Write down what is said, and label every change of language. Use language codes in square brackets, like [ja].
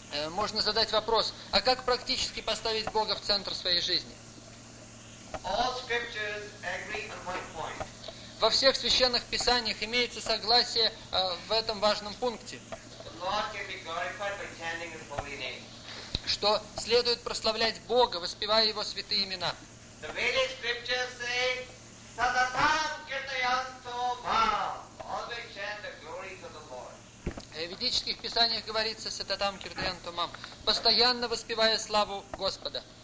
[ru] Можно задать вопрос, а как практически поставить Бога в центр своей жизни? [en] All scriptures agree on one point. [ru] Во всех священных писаниях имеется согласие в этом важном пункте, [en] the Lord can be glorified by chanting His holy name. [ru] Что следует прославлять Бога, воспевая Его святые имена. [en] The Vedic scriptures say, Садатам Киртаянто Ма. Always chant the glories of the Lord. [ru] В ведических писаниях говорится, Садатам Киртаянто Ма, постоянно воспевая славу Господа.